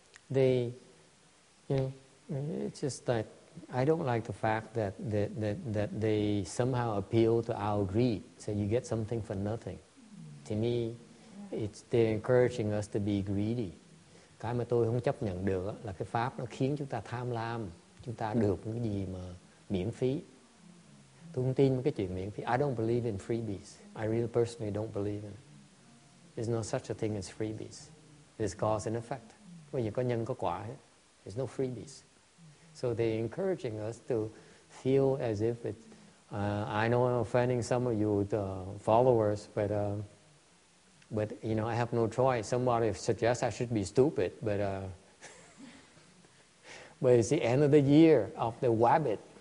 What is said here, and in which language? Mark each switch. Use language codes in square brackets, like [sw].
[en] They, you know, it's just that I don't like the fact that that they somehow appeal to our greed. So you get something for nothing. Mm-hmm. To me, it's they're encouraging us to be greedy. [vi] Cái mà tôi không chấp nhận được là cái pháp nó khiến chúng ta tham lam, chúng ta được cái gì mà miễn phí. Tôi không tin cái chuyện miễn phí. [en] I don't believe in freebies. I really personally don't believe in it. There's no such a thing as freebies. There's cause and effect. [vi] Bây giờ có nhân có quả, [en] there's no freebies. So they're encouraging us to feel as if it. I know I'm offending some of you the followers, but you know I have no choice. Somebody suggests I should be stupid, but but it's the end of the year of the wabbit.